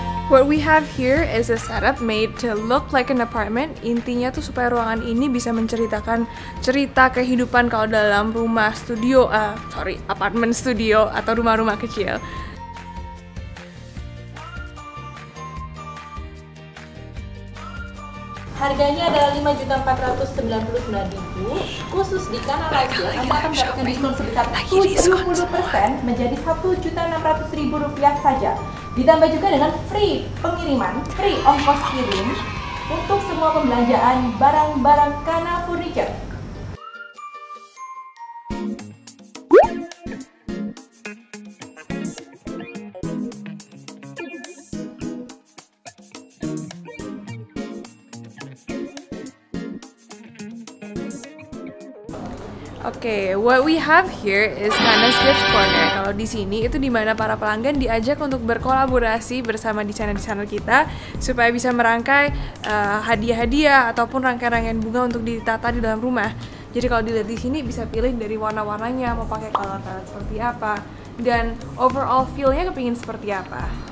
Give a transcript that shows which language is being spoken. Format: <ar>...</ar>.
<en>What we have here is a setup made to look like an apartment.</en> <id>Intinya tuh supaya ruangan ini bisa menceritakan cerita kehidupan kalau dalam rumah studio, apartment studio atau rumah-rumah kecil. Harganya adalah Rp5.499.000, khusus di Kana Raja, Anda akan mendapatkan diskon sebesar 70% menjadi Rp1.600.000 saja. Ditambah juga dengan free pengiriman, free ongkos kirim untuk semua pembelanjaan barang-barang Kana Furniture.</id> <en>Okay, what we have here is Kana's Gift Corner.</en> <id>Kalau di sini itu di mana para pelanggan diajak untuk berkolaborasi bersama desainer-desainer kita supaya bisa merangkai hadiah-hadiah ataupun rangkaian-rangkaian bunga untuk ditata di dalam rumah. Jadi kalau dilihat di sini bisa pilih dari warna-warnanya, mau pakai color seperti apa dan overall feel-nya kepingin seperti apa.</id>